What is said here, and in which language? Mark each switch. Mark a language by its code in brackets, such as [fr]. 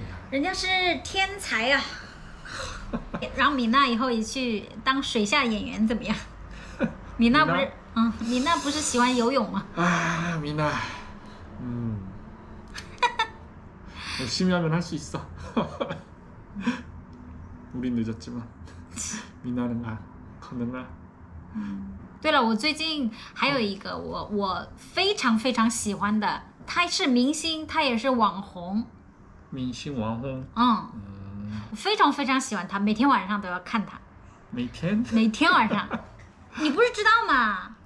[zh] 人家是天才呀、啊！让米娜以后也去当水下演员怎么样？米娜不是，米米娜不是喜欢游泳吗？娜，米娜， [ko] 열심히 하면 할수 있어. 우린 늦었지만 미나는 아 가능하. [zh] 对了，我最近还有一个我非常非常喜欢的，他是明星，他也是网红。明星网红，我非常非常喜欢他，每天晚上都要看他。每天，每天晚上，你不是知道吗？